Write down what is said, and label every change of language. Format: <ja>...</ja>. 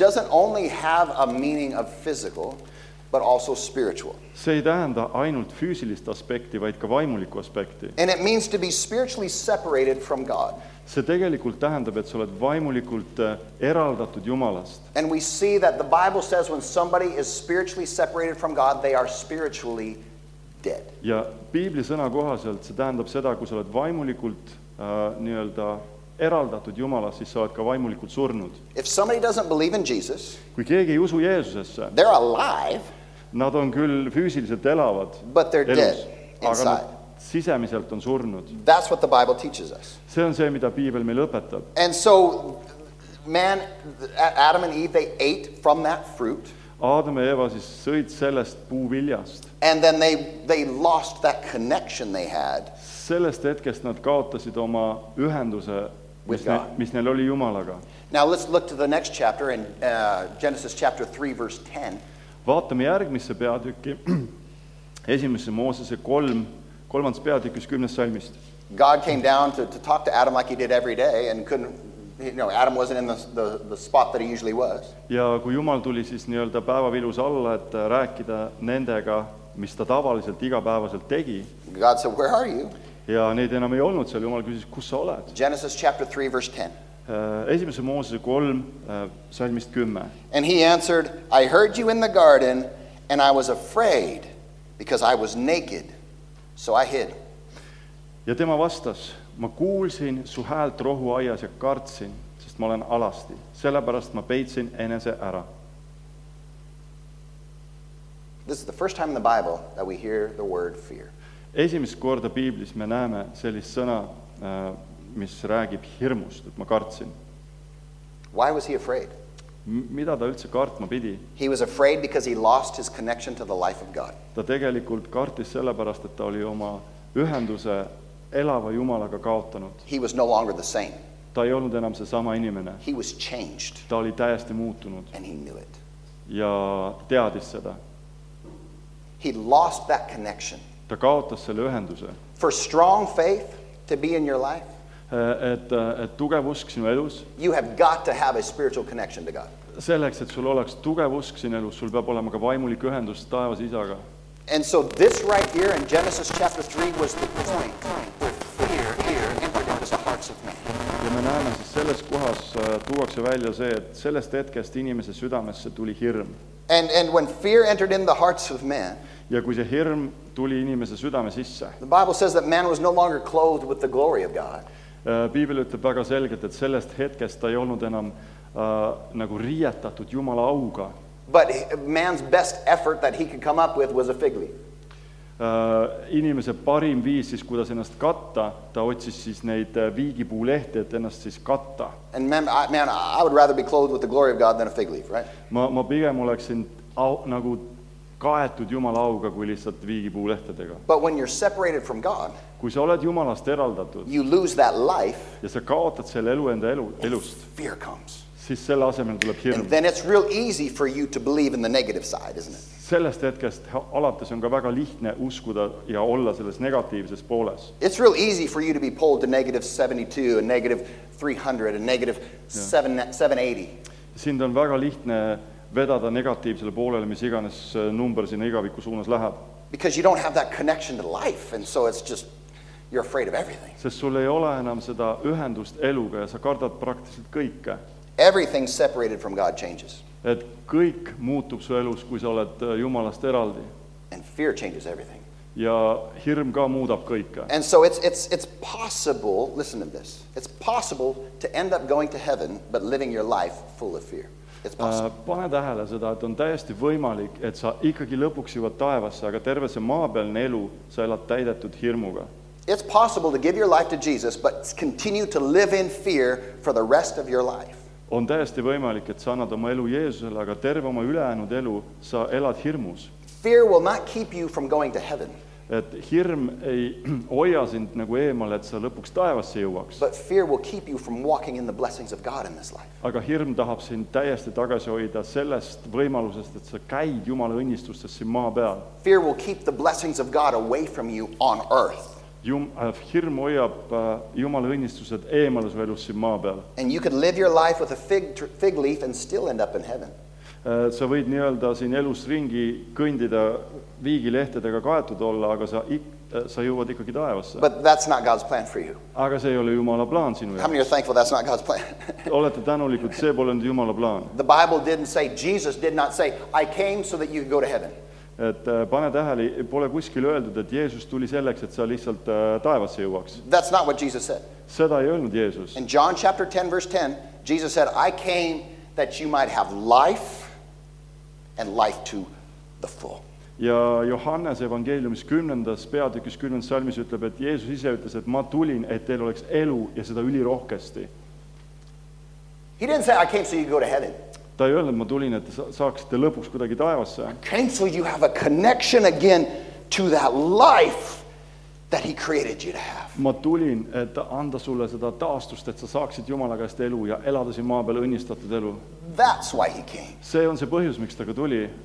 <en>doesn't only have a meaning of physical, but also spiritual.</en> <et>See ei tähenda ainult füüsilist aspekti, vaid ka vaimuliku aspekti.</et> <en>And it means to be spiritually separated from God.</en> <et>See tegelikult tähendab, et sa oled vaimulikult eraldatud Jumalast.</et> <en>And we see that the Bible says when somebody is spiritually separated from God, they are spiritually dead.</en> <et>Ja piibli sõna kohaselt see tähendab seda, kui sa oled vaimulikult nii-öelda eraldatud Jumala, siis sa oled ka vaimulikult surnud.</et> <en>If somebody doesn't believe in Jesus,</en> <et>kui keegi ei usu Jeesusesse,</et> <en>they're alive,</en> <et>nad on küll füüsiliselt elavad,</et> <en>but they're</en> <et>elus,</et> <en>dead inside.</en> <et>Aga nad sisemiselt on surnud.</et> <en>That's what the Bible teaches us.</en> <et>See on see, mida Piibel meil õpetab.</et> <en>And so, man, Adam and Eve, they ate from that fruit.</en> <et>Adam ja Eva siis sõid sellest puuviljast.</et> <en>And then they lost that connection they had.</en> <et>Sellest hetkest nad kaotasid oma ühenduse, mis neil oli Jumalaga.</et> <en>Now let's look to the next chapter in Genesis chapter 3 verse 10.</en> <et>Vaatame järgmisse peatükki. Esimese Moosese 3. peatükis 10. salmist.</et> <en>God came down to talk to Adam like he did every day and couldn't you know, Adam wasn't in the spot that he usually was.</en> <et>Ja kui Jumal tuli siis nii-öelda päevavilus alla, et rääkida nendega, mis ta tavaliselt igapäevaselt tegi.</et> <en>God said, where are you?</en> <et>Ja neid enam ei olnud seal. Jumal küsis, kus sa oled?</et> <en>Genesis chapter 3, verse 10.</en> <et>Esimese Moosese 3, salmist 10.</et> <en>And he answered, I heard you in the garden, and I was afraid, because I was naked, so I hid.</en> <et>Ja tema vastas, ma kuulsin su häält rohu aias ja kartsin, sest ma olen alasti. Sellepärast ma peitsin enese ära.</et> <en>This is the first time in the Bible that we hear the word fear.</en> <et>Esimest korda Biiblis me näeme sellist sõna, mis räägib hirmust, et ma kartsin.</et> <en>Why was he afraid?</en> <et>Mida ta üldse kartma pidi?</et> <en>He was afraid because he lost his connection to the life of God.</en> <et>Ta tegelikult kartis sellepärast, et ta oli oma ühenduse elava Jumalaga kaotanud.</et> <en>He was no longer the same.</en> <et>Ta ei olnud enam see sama inimene.</et> <en>He was changed.</en> <et>Ta oli täiesti muutunud.</et> <en>And he knew it.</en> <et>Ja teadis seda.</et> <en>He lost that connection.</en> <et>Ta kaotas selle ühenduse.</et> <en>For strong faith to be in your life,</en> <et>et tugev usk sinu elus,</et> <en>you have got to have a spiritual connection to God.</en> <et>Selleks, et sul oleks tugev usk sinu elus, sul peab olema ka vaimulik ühendus taevas isaga.</et> <en>And so this right here in Genesis chapter 3 was the point</en> <et>Me näeme siis selles kohas tuuakse välja see, et sellest hetkest inimese südamesse tuli hirm.</et> <en>And when fear entered in the hearts of man,</en> <et>ja kui see hirm tuli inimese südame sisse,</et> <en>the Bible says that man was no longer clothed with the glory of God.</en> <et>Biibel ütleb väga selgelt, et sellest hetkest ta ei olnud enam nagu riietatud Jumala auga.</et> <en>But man's best effort that he could come up with was a fig leaf.</en> <et>Inimese parim viis siis, kuidas ennast katta, ta otsis siis neid viigipuu lehte, et ennast siis katta.</et> <en>And man, I would rather be clothed with the glory of God than a fig leaf, right?</en> <et>Ma pigem oleksin nagu kaetud Jumala auga kui lihtsalt viigipuu lehtedega.</et> <en>But when you're separated from God,</en> <et>kui sa oled Jumalast eraldatud,</et> <en>you lose that life,</en> <et>ja sa kaotad selle elu enda elust,</et> <en>fear comes.</en> <et>Siis selle asemel tuleb hirm.</et> <en>And then it's real easy for you to believe in the negative side, isn't it?</en> <et>Sellest hetkest alates on ka väga lihtne uskuda ja olla selles negatiivses pooles.</et> <en>It's real easy for you to be pulled to negative 72 and negative 300 and negative 780.</en> <et>Siin on väga lihtne vedada negatiivsele poolele, mis iganes number sinna igaviku suunas läheb.</et> <en>Because you don't have that connection to life, and so it's just, you're afraid of everything.</en> <et>Sest sul ei ole enam seda ühendust eluga ja sa kardad praktiliselt kõike.</et> <en>Everything separated from God changes.</en> <et>Et kõik muutub su elus, kui sa oled Jumalast eraldi.</et> <en>And fear changes everything.</en> <et>Ja hirm ka muudab kõike.</et> <en>And so it's possible, listen to this, it's possible to end up going to heaven, but living your life full of fear. It's possible.</en> <et>Pane tähele seda, et on täiesti võimalik, et sa ikkagi lõpuks jõuad taevasse, aga terve see maapealne elu sa elad täidetud hirmuga.</et> <en>It's possible to give your life to Jesus, but continue to live in fear for the rest of your life.</en> <et>On täiesti võimalik, et sa annad oma elu Jeesusele, aga terve oma ülejäänud elu sa elad hirmus.</et> <en>Fear will not keep you from going to heaven.</en> <et>Et hirm ei hoia sind nagu eemal, et sa lõpuks taevasse jõuaks.</et> <en>But fear will keep you from walking in the blessings of God in this life.</en> <et>Aga hirm tahab sind täiesti tagasi hoida sellest võimalusest, et sa käid Jumala õnnistustes siin maa peal.</et> <en>Fear will keep the blessings of God away from you on earth.</en> <et>Hirm hoiab Jumala õnnistused eemale su elus siin maa peal.</et> <en>And you could live your life with a fig leaf and still end up in heaven.</en> <et>Sa võid nii-öelda siin elus ringi kõndida viigilehtedega kaetud olla, aga sa jõuad ikkagi taevasse.</et> <en>But that's not God's plan for you.</en> <et>Aga see ei ole Jumala plaan sinu jaoks.</et> <en>How many are thankful that's not God's plan?</en> <et>Olete tänulikud, see pole nüüd Jumala plaan.</et> <en>The Bible didn't say, Jesus did not say, I came so that you could go to heaven.</en> <et>Et pane tähele, pole kuskil öeldud, et Jeesus tuli selleks, et sa lihtsalt taevasse jõuaks.</et> <en>That's not what Jesus said.</en> <et>Seda ei öelnud Jeesus.</et> <en>In John chapter 10, verse 10, Jesus said, I came that you might have life and life to the full.</en> <et>Ja Johannes evangeeliumis 10. Peatükis 10. Salmis ütleb, et Jeesus ise ütles, et ma tulin, et teil oleks elu ja seda üli rohkesti.</et> <en>He didn't say, I came so you could go to heaven.</en> <et>Ta ei öelnud, ma tulin, et saaksite lõpuks kuidagi taevasse.</et> <en>Okay, so you have a connection again to that life that he created you to have.</en> <et>Ma tulin, et anda sulle seda taastust, et sa saaksid Jumala käest elu ja elada siin maa peal õnnistatud elu.</et> <en>That's why he came.</en> <et>See on see põhjus, miks ta ka tuli.</et>